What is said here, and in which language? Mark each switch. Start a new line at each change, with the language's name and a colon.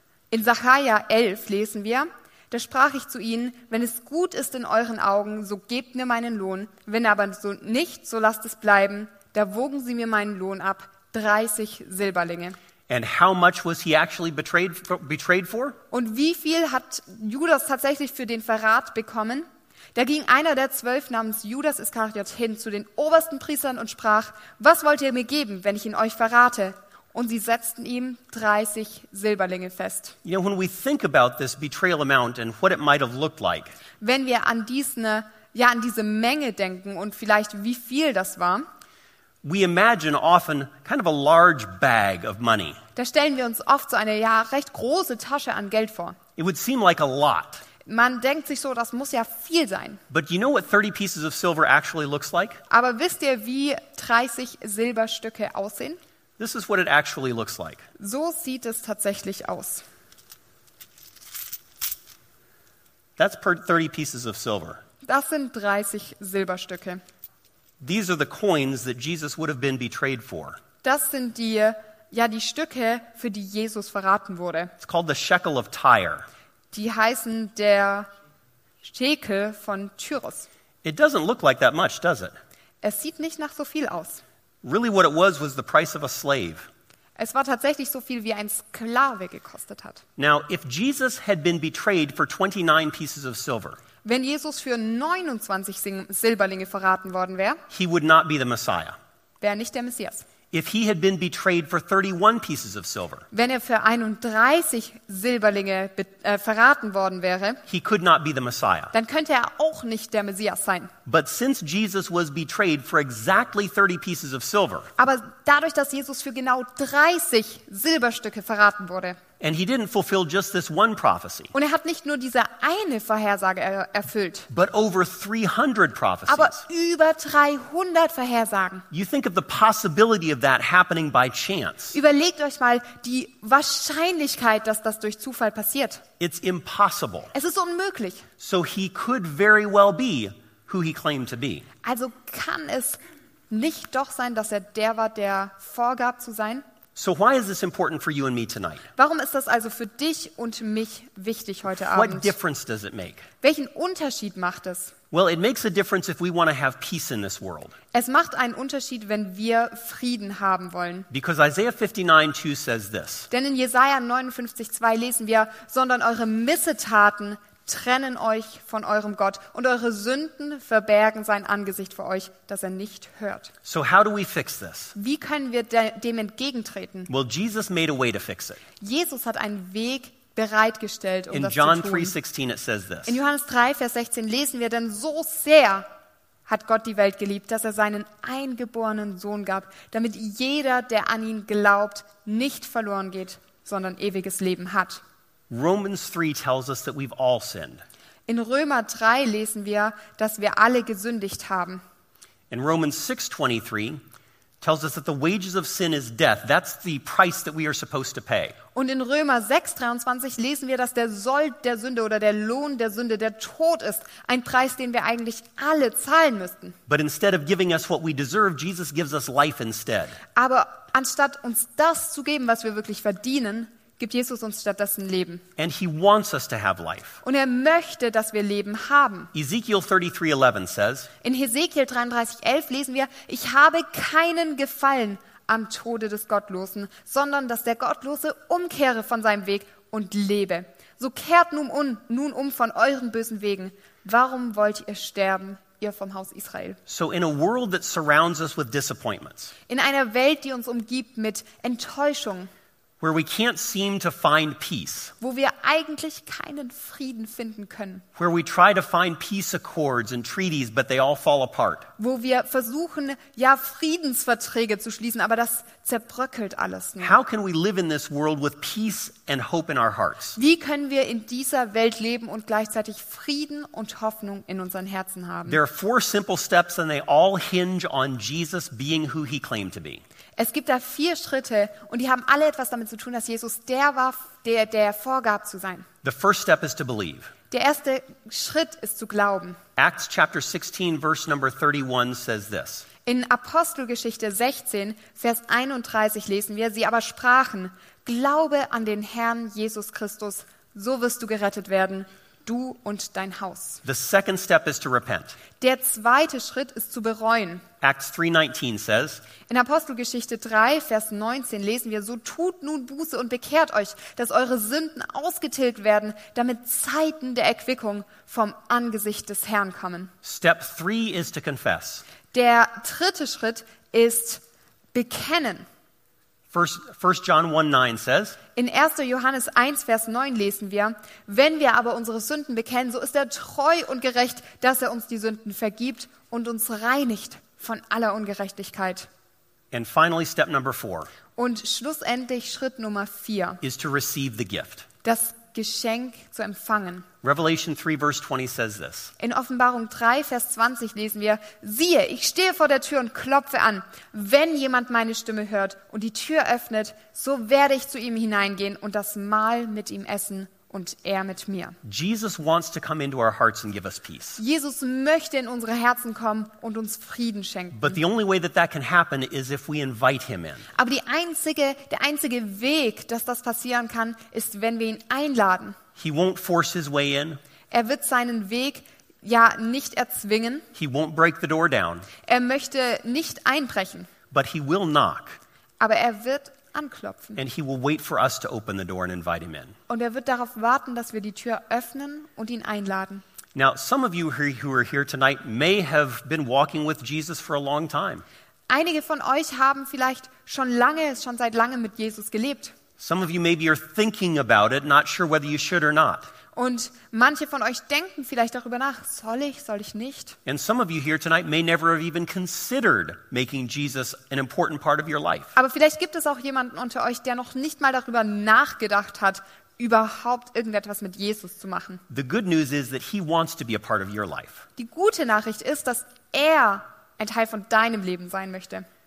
German: In Zacharja 11 lesen wir, da sprach ich zu ihnen, wenn es gut ist in euren Augen, so gebt mir meinen Lohn, wenn aber so nicht, so lasst es bleiben. Da wogen sie mir meinen Lohn ab, 30 Silberlinge.
English: And how much was he actually betrayed for?
German: Und wie viel hat Judas tatsächlich für den Verrat bekommen? Da ging einer der 12 namens Judas Iskariot hin zu den obersten Priestern und sprach, was wollt ihr mir geben, wenn ich ihn euch verrate? Und sie setzten ihm 30 Silberlinge fest.
English: You know, when we think about this betrayal amount and what it might have looked like.
German: Wenn wir an diese Menge denken und vielleicht wie viel das war.
English: We imagine often kind of a large bag of money.
German: Da stellen wir uns oft so eine recht große Tasche an Geld vor.
English: It would seem like a lot.
German: Man denkt sich so, das muss ja viel sein.
English: But you know what 30 pieces of silver actually looks like?
German: Aber wisst ihr, wie 30 Silberstücke aussehen?
English: This is what it actually looks like.
German: So sieht es tatsächlich aus.
English: That's per 30 pieces of silver.
German: Das sind 30 Silberstücke.
English: These are the coins that Jesus would have been betrayed for.
German: Das sind die Stücke, für die Jesus verraten wurde.
English: It's called the Shekel of Tyre.
German: Die heißen der Schekel von Tyrus.
English: It doesn't look like that much, does it?
German: Es sieht nicht nach so viel aus.
English: Really what it was the price of a slave.
German: Es war tatsächlich so viel, wie ein Sklave gekostet hat.
English: Now, if Jesus had been betrayed for 29 pieces of silver,
German: wenn Jesus für 29 Silberlinge verraten worden wäre,
English: he would not be the Messiah.
German: Wäre nicht der Messias.
English: If he had been betrayed for 31 pieces of silver,
German: wenn er für 31 Silberlinge verraten worden wäre,
English: he could not be the Messiah.
German: Dann könnte er auch nicht der Messias sein.
English: But since Jesus was betrayed for exactly 30 pieces of silver,
German: aber dadurch, dass Jesus für genau 30 Silberstücke verraten wurde,
English: and he didn't fulfill just this one prophecy.
German: Und er hat nicht nur diese eine Vorhersage erfüllt.
English: But over 300 prophecies.
German: Aber über 300 Vorhersagen.
English: You think of the possibility of that happening by chance.
German: Überlegt euch mal die Wahrscheinlichkeit, dass das durch Zufall passiert.
English: It's impossible.
German: Es ist unmöglich.
English: So he could very well be who he claimed to be.
German: Also kann es nicht doch sein, dass er der war, der vorgab zu sein?
English: So why is this important for you and me tonight?
German: Warum ist das also für dich und mich wichtig heute Abend?
English: What difference does it make?
German: Welchen Unterschied macht es?
English: Well, it makes a difference if we want to have peace in this world.
German: Es macht einen Unterschied, wenn wir Frieden haben wollen.
English: Because Isaiah 59:2 says this.
German: Denn in Jesaja 59:2 lesen wir, sondern eure Missetaten trennen euch von eurem Gott und eure Sünden verbergen sein Angesicht vor euch, dass er nicht hört.
English: So how do we fix this?
German: Wie können wir dem entgegentreten?
English: Well, Jesus made a way to fix it.
German: Jesus hat einen Weg bereitgestellt, um in das
English: John
German: zu tun.
English: 3:16 it says this.
German: In Johannes 3, Vers 16 lesen wir, denn so sehr hat Gott die Welt geliebt, dass er seinen eingeborenen Sohn gab, damit jeder, der an ihn glaubt, nicht verloren geht, sondern ewiges Leben hat.
English: Romans 3 tells us that we've all sinned.
German: In Römer 3 lesen wir, dass wir alle gesündigt haben.
English: In Romans 6:23 tells us that the wages of sin is death. That's the price that we are supposed to pay.
German: Und in Römer 6:23 lesen wir, dass der Sold der Sünde oder der Lohn der Sünde der Tod ist, ein Preis, den wir eigentlich alle zahlen müssten.
English: But instead of giving us what we deserve, Jesus gives us life instead.
German: Aber anstatt uns das zu geben, was wir wirklich verdienen, gibt Jesus uns stattdessen Leben.
English: And he wants us to have life.
German: Und er möchte, dass wir Leben haben.
English: Ezekiel 33:11 says,
German: in Hesekiel 33:11 lesen wir, ich habe keinen Gefallen am Tode des Gottlosen, sondern dass der Gottlose umkehre von seinem Weg und lebe. So kehrt nun um von euren bösen Wegen. Warum wollt ihr sterben, ihr vom Haus Israel?
English: So in a world that surrounds us with disappointments.
German: In einer Welt, die uns umgibt mit Enttäuschung,
English: where we can't seem to find peace.
German: Wo wir eigentlich keinen Frieden finden können.
English: Where we try to find peace accords and treaties, but they all fall apart.
German: Wo wir versuchen, ja, Friedensverträge zu schließen, aber das zerbröckelt alles nur.
English: How can we live in this world with peace and hope in our hearts?
German: Wie können wir in dieser Welt leben und gleichzeitig Frieden und Hoffnung in unseren Herzen haben?
English: There are four simple steps and they all hinge on Jesus being who he claimed to be.
German: Es gibt da vier Schritte und die haben alle etwas damit zu tun, dass Jesus der war, der vorgab zu sein.
English: The first step is to believe.
German: Der erste Schritt ist zu glauben.
English: Acts chapter 16 verse number 31 says this.
German: In Apostelgeschichte 16 Vers 31 lesen wir, sie aber sprachen: Glaube an den Herrn Jesus Christus, so wirst du gerettet werden, du und dein Haus.
English: The second step is to repent.
German: Der zweite Schritt ist zu bereuen.
English: Acts 3:19 says,
German: in Apostelgeschichte 3, Vers 19 lesen wir, so tut nun Buße und bekehrt euch, dass eure Sünden ausgetilgt werden, damit Zeiten der Erquickung vom Angesicht des Herrn kommen.
English: Step 3 is to confess.
German: Der dritte Schritt ist bekennen.
English: First John 1:9 says,
German: in 1. Johannes 1, Vers 9 lesen wir, wenn wir aber unsere Sünden bekennen, so ist er treu und gerecht, dass er uns die Sünden vergibt und uns reinigt von aller Ungerechtigkeit.
English: And finally, step number 4.
German: Und schlussendlich Schritt Nummer 4.
English: Is to receive the gift.
German: Das Geschenk zu empfangen.
English: Revelation 3 verse 20 says this.
German: In Offenbarung 3 Vers 20 lesen wir: Siehe, ich stehe vor der Tür und klopfe an. Wenn jemand meine Stimme hört und die Tür öffnet, so werde ich zu ihm hineingehen und das Mahl mit ihm essen und er mit mir.
English: Jesus wants to come into our hearts and give us peace.
German: Jesus möchte in unsere Herzen kommen und uns Frieden schenken.
English: But the only way that that can happen is if we invite him in.
German: Aber der einzige Weg, dass das passieren kann, ist, wenn wir ihn einladen.
English: He won't force his way in.
German: Er wird seinen Weg ja nicht erzwingen.
English: He won't break the door down.
German: Er möchte nicht einbrechen.
English: But he will knock.
German: Aber er wird anklopfen.
English: And he will wait for us to open the door and invite him in.
German: Und er wird darauf warten, dass wir die Tür öffnen und ihn einladen.
English: Now, some of you who are here tonight may have been walking with Jesus for a long time.
German: Einige von euch haben vielleicht schon seit langem mit Jesus gelebt.
English: Some of you maybe are thinking about it, not sure whether you should or not.
German: Und manche von euch denken vielleicht darüber nach, soll ich nicht?
English: And some of you here tonight may never have even considered making Jesus an important part of your life.
German: Aber vielleicht gibt es auch jemanden unter euch, der noch nicht mal darüber nachgedacht hat, überhaupt irgendetwas mit Jesus zu machen.
English: The good news is that he wants to be a part of your life.
German: Die gute Nachricht ist, dass er ein Teil von deinem Leben sein möchte.